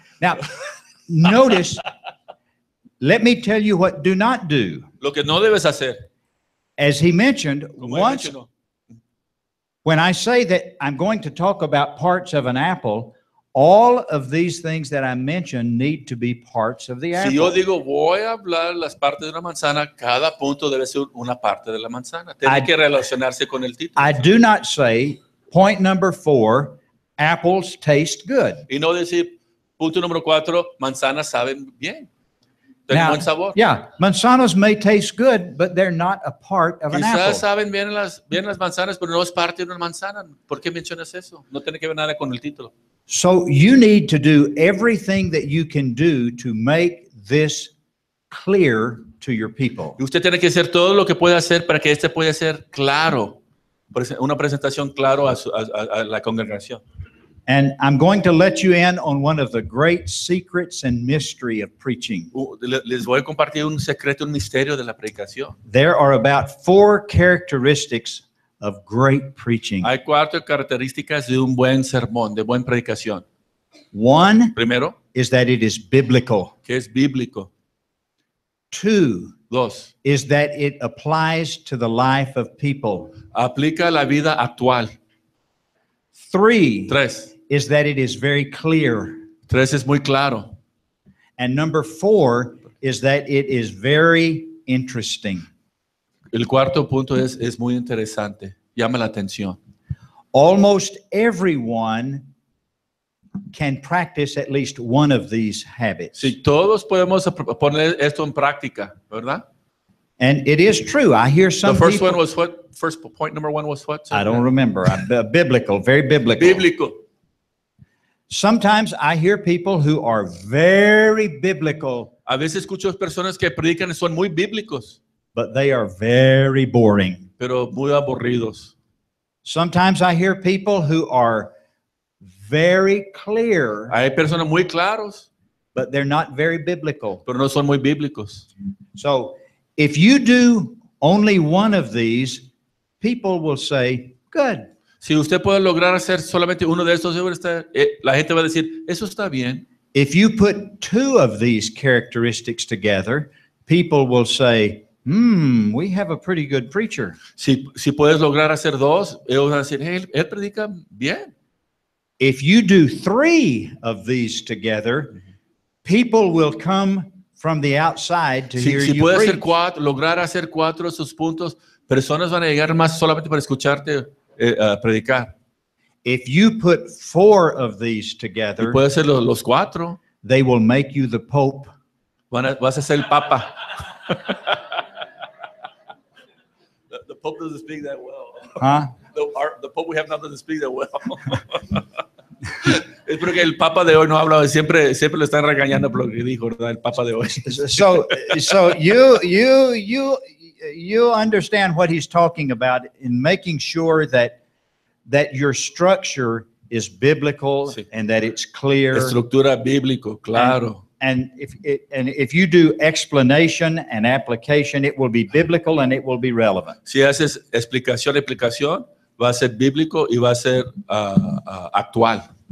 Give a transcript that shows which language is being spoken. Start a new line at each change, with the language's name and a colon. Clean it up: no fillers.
English: Now, notice, let me tell you what do not do.
Spanish: Lo que no debes hacer.
English: As he mentioned,
Spanish: como
English: once, when I say that I'm going to talk about parts of an apple, all of these things that I mentioned need to be parts of the apple.
Spanish: Si yo digo, voy a hablar las partes de una manzana, cada punto debe ser una parte de la manzana. Tiene que relacionarse con el título.
English: I do not say, point number 4, apples taste good.
Spanish: Y no decir, punto número 4, manzanas saben bien. Tienen
English: now,
Spanish: buen sabor.
English: Yeah, manzanas may taste good, but they're not a part of
Spanish: quizás
English: an apple.
Spanish: Quizás saben bien las manzanas, pero no es parte de una manzana. ¿Por qué mencionas eso? No tiene que ver nada con el título.
English: So you need to do everything that you can do to make this clear to your people.
Spanish: Y usted tiene que hacer todo lo que pueda hacer para que este pueda ser claro, una presentación claro a la congregación.
English: And I'm going to let you in on one of the great secrets and mystery of preaching.
Spanish: Les voy a compartir un secreto, un misterio de la predicación.
English: There are about 4 characteristics of great preaching.
Spanish: Hay 4 características de un buen sermón, de buena predicación.
English: One,
Spanish: primero,
English: is that it is biblical.
Spanish: Que es bíblico.
English: 2,
Spanish: dos,
English: is that it applies to the life of people.
Spanish: Aplica la vida actual.
English: 3,
Spanish: tres,
English: is that it is very clear.
Spanish: 3 es muy claro.
English: And number 4 is that it is very interesting.
Spanish: El cuarto punto es muy interesante. Llama la atención.
English: Almost everyone can practice at least one of these habits.
Spanish: Sí, todos podemos poner esto en práctica, ¿verdad?
English: And it is true. I hear some the first people, one was what? First point number 1 was what? Sorry. I don't remember. Biblical, very biblical. Biblical. Sometimes I hear people who are very biblical.
Spanish: A veces escucho personas que predican y son muy bíblicos.
English: But they are very boring.
Spanish: Pero muy aburridos.
English: Sometimes I hear people who are very clear.
Spanish: Hay personas muy claros.
English: But they're not very biblical.
Spanish: Pero no son muy bíblicos.
English: So, if you do only one of these, people will say, good.
Spanish: Si usted puede lograr hacer solamente uno de estos, la gente va a decir, eso está bien.
English: If you put two of these characteristics together, people will say, we have a pretty good preacher.
Spanish: Si puedes lograr hacer dos, ellos van a decir, hey, él predica bien.
English: If you do three of these together, people will come from the outside to hear you preach.
Spanish: Si puedes hacer cuatro, lograr hacer cuatro de esos puntos, personas van a llegar más solamente para escucharte predicar.
English: If you put four of these together,
Spanish: puedes hacer los cuatro,
English: they will make you the Pope.
Spanish: Vas a ser el Papa.
English: The Pope doesn't speak that well. The Pope, we have nothing to speak that well.
Spanish: Es porque el Papa de hoy no habla, siempre lo están regañando por lo que dijo, ¿verdad? El Papa de hoy.
English: So you understand what he's talking about in making sure that your structure is biblical, sí, and that it's clear.
Spanish: Estructura bíblico, claro.
English: And if you do explanation and application, it will be biblical and it will be relevant.
Spanish: Si haces explicación y aplicación, va a ser bíblico y va a ser actual.